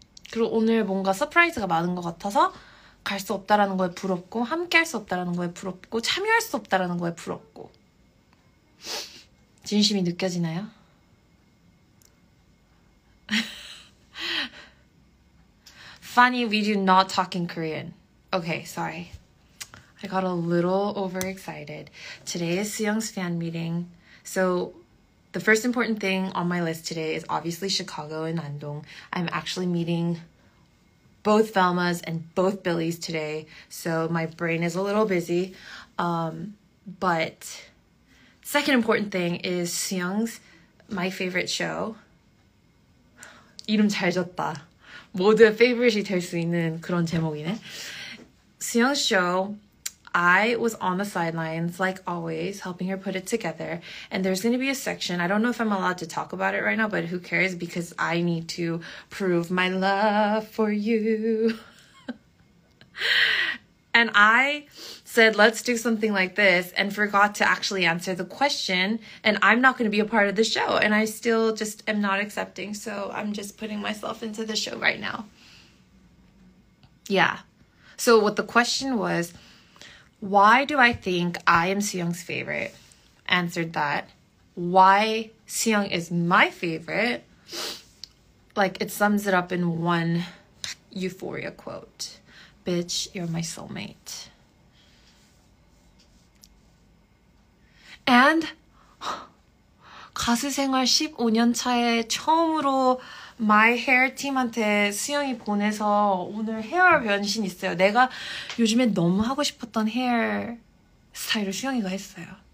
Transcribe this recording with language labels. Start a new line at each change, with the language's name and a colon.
Korean: 그리고 오늘 뭔가 서프라이즈가 많은 것 같아서 갈 수 없다라는 거에 부럽고 함께 할 수 없다라는 거에 부럽고 참여할 수 없다라는 거에 부럽고 진심이 느껴지나요?
English: 'Funny, we do not talk in Korean. Okay, sorry. I got a little overexcited. Today is Seung's fan meeting. So the first important thing on my list today is obviously Chicago and Andong. I'm actually meeting both Velmas and both Billies today. So my brain is a little busy. But second important thing is Seung's my favorite show.
Korean: 이름 잘 졌다. 모두의 favorite이 될 수 있는 그런 제목이네.
English: Seung's show, I was on the sidelines, like always, helping her put it together. And there's going to be a section. I don't know if I'm allowed to talk about it right now, but who cares? Because I need to prove my love for you. And I said, let's do something like this, and forgot to actually answer the question. And I'm not going to be a part of the show. And I still just am not accepting. So I'm just putting myself into the show right now. Yeah. So what the question was, why do I think I am Seung's favorite? Answered that. Why Seung is my favorite? Like, it sums it up in one Euphoria quote. Bitch, you're my soulmate.
Korean: And 가수 생활 15년 차에 처음으로 마이 헤어 팀한테 수영이 보내서 오늘 헤어 변신 있어요. 내가 요즘에 너무 하고 싶었던 헤어 스타일을 수영이가 했어요.